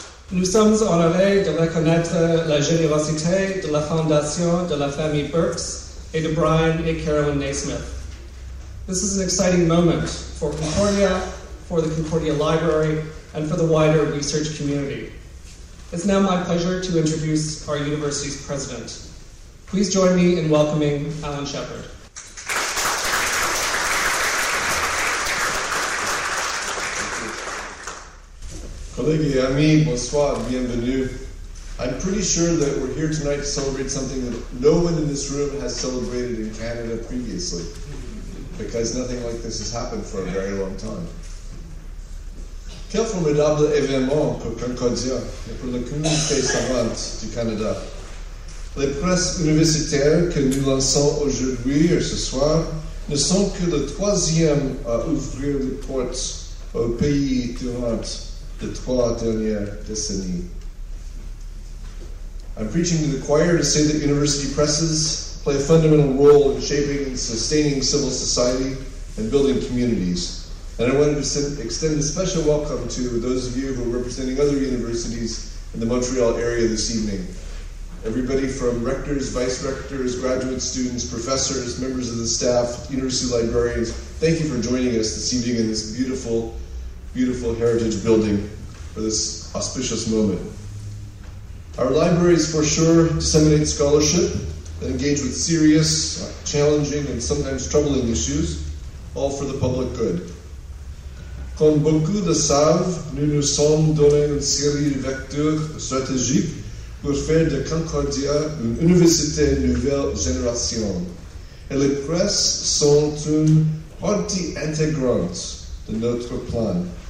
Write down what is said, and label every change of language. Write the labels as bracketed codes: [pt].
[fr] Nous sommes honorés de reconnaître la générosité de la Fondation de la famille Birks et de Brian et Carolyn Naismith. [en] This is an exciting moment for Concordia, for the Concordia Library, and for the wider research community. It's now my pleasure to introduce our university's president. Please join me in welcoming Alan Shepard. [fr] Collègues et amis, bonsoir, bienvenue. [en] I'm pretty sure that we're here tonight to celebrate something that no one in this room has celebrated in Canada previously, because nothing like this has happened for a very long time. [fr] Quel formidable événement pour Concordia et pour la communauté savante du Canada. Les presses universitaires que nous lançons aujourd'hui et ce soir ne sont que le troisième à ouvrir les portes au pays durant les trois dernières décennies. [en] I'm preaching to the choir to say that university presses play a fundamental role in shaping and sustaining civil society and building communities. And I wanted to extend a special welcome to those of you who are representing other universities in the Montreal area this evening. Everybody from rectors, vice rectors, graduate students, professors, members of the staff, university librarians, thank you for joining us this evening in this beautiful, beautiful heritage building for this auspicious moment. Our libraries for sure disseminate scholarship and engage with serious, challenging, and sometimes troubling issues, all for the public good. [fr] Comme beaucoup le savent, nous nous sommes donné une série de vecteurs stratégiques pour faire de Concordia une université nouvelle génération. Et les presses sont une partie intégrante de notre plan.